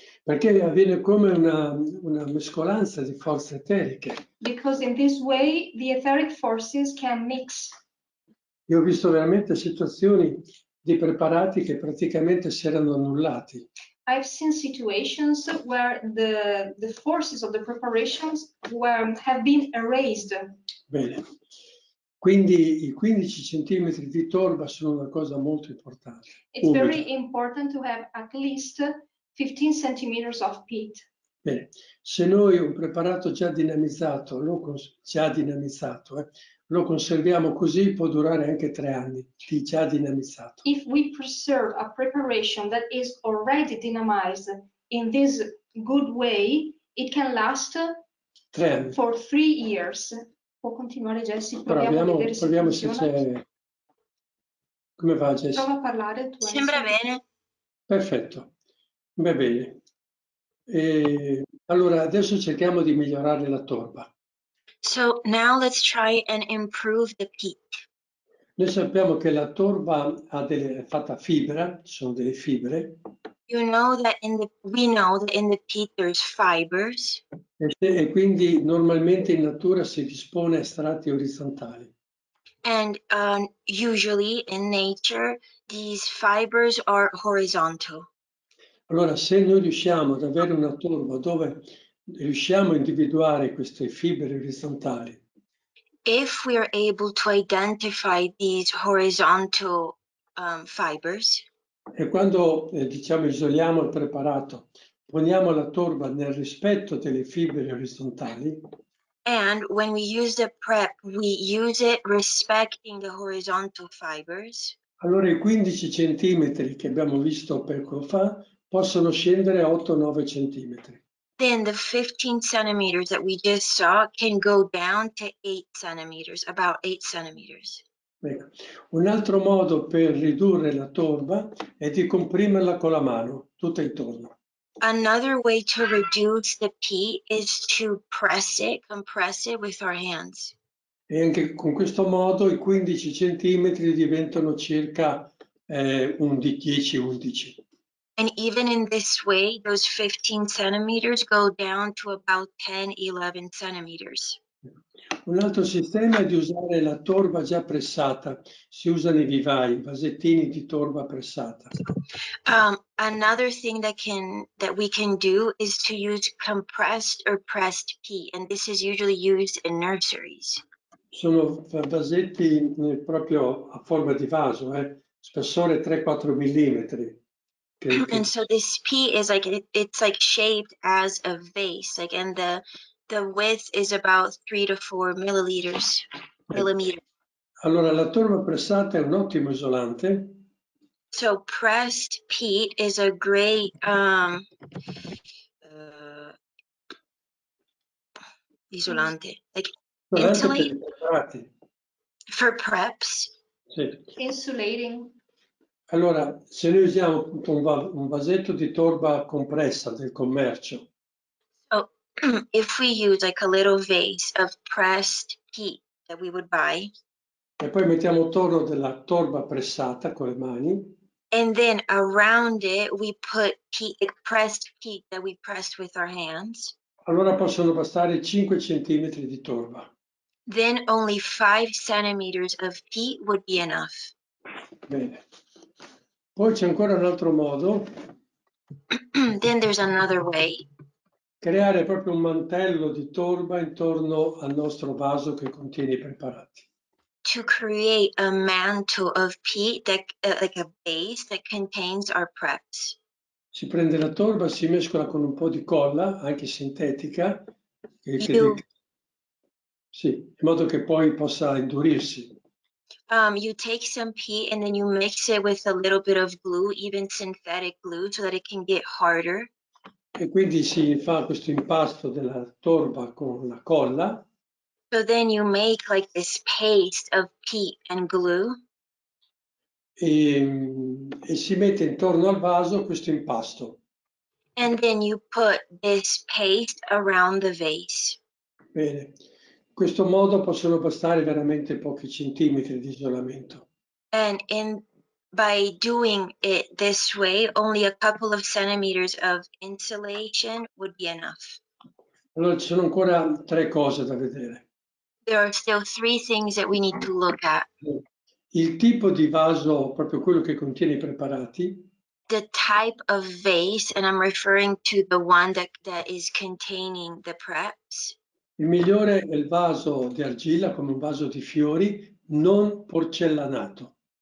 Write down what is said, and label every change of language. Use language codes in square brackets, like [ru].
[it] Perché avviene come una mescolanza di forze eteriche. [en] Because in this way the etheric forces can mix. [it] Io ho visto veramente situazioni di preparati che praticamente si erano annullati. [en] I've seen situations where the forces of the preparations have been erased. [it] Bene. Quindi i 15 cm di torba sono una cosa molto importante. [en] It's [it] umida. [en] Very important to have at least 15 centimeters of peat. [it] Bene, se noi un preparato già dinamizzato, lo conserviamo così, può durare anche 3 anni di già dinamizzato. [en] If we preserve a preparation that is already dynamized in this good way, it can last [it] 3 anni. [en] For 3 years. [it] Può continuare, [en] Jessie? [it] Proviamo se c'è. Come va, Jessie? Prova a parlare tu. Sembra bene. Perfetto. Va bene. Allora adesso cerchiamo di migliorare la torba. [en] So now let's try and improve the peat. [it] Noi sappiamo che la torba è fatta fibra, ci sono delle fibre. [en] You know that we know that in the peat there's fibers. [it] E quindi normalmente in natura si dispone a strati orizzontali. [en] And usually in nature these fibers are horizontal. [it] Allora, se noi riusciamo ad avere una torba dove riusciamo a individuare queste fibre orizzontali. [en] If we are able to identify these horizontal fibers. [it] E quando, diciamo, isoliamo il preparato, poniamo la torba nel rispetto delle fibre orizzontali. [en] And when we use the prep, we use it respecting the horizontal fibers. [it] Allora, i 15 centimetri che abbiamo visto poco fa possono scendere 8-9 centimetri. [en] Then the 15 centimeters that we just saw can go down to 8 centimeters, about 8 centimeters. [it] Ecco. Un altro modo per ridurre la torba è di comprimerla con la mano, tutta intorno. [en] Another way to reduce the peat is to press it, compress it with our hands. [it] E anche con questo modo i 15 centimetri diventano circa 10-11. [en] And even in this way, those 15 centimeters go down to about 10-11 centimeters. [it] Un altro sistema è di usare la torba già pressata. Si usano i vivai, vasettini di torba pressata. [en] Another thing that we can do is to use compressed or pressed peat, and this is usually used in nurseries. [it] Sono vasetti proprio a forma di vaso, spessore 3-4 millimetri. [en] And so this peat is like it's like shaped as a vase, like, and the width is about 3-4 milliliters. Millimeter. [it] Allora, la torba pressata è un ottimo isolante. [en] So pressed peat is a great [it] isolante, [en] like insulating for preps. [it] Sì. [en] Insulating. [it] Allora, se noi usiamo un vasetto di torba compressa del commercio. [en] So, if we use like a little vase of pressed peat that we would buy. [it] E poi mettiamo attorno della torba pressata con le mani. [en] And then around it we put pressed peat that we pressed with our hands. [it] Allora possono bastare 5 centimetri di torba. [en] Then only 5 centimeters of peat would be enough. [it] Bene. Poi c'è ancora un altro modo. [en] Then there's another way. [it] Creare proprio un mantello di torba intorno al nostro vaso che contiene i preparati. [en] To create a mantle of peat, that, like a base that contains our preps. [it] Si prende la torba, si mescola con un po' di colla, anche sintetica. Sì, in modo che poi possa indurirsi. [en] You take some peat and then you mix it with a little bit of glue, even synthetic glue, so that it can get harder. [it] E quindi si fa questo impasto della torba con la colla. [en] So then you make like this paste of peat and glue. [it] E si mette intorno al vaso questo impasto. [en] And then you put this paste around the vase. [it] Bene. In questo modo possono bastare veramente pochi centimetri di isolamento. [en] And in by doing it this way, only a couple of centimeters of insulation would be enough. [it] Allora, ci sono ancora tre cose da vedere. [en] There are still three things that we need to look at. [it] Il tipo di vaso, proprio quello che contiene i preparati. [en] The type of vase, and I'm referring to the one that is containing the preps. [it] Il migliore è il vaso di argilla, come un vaso di fiori, non porcellanato.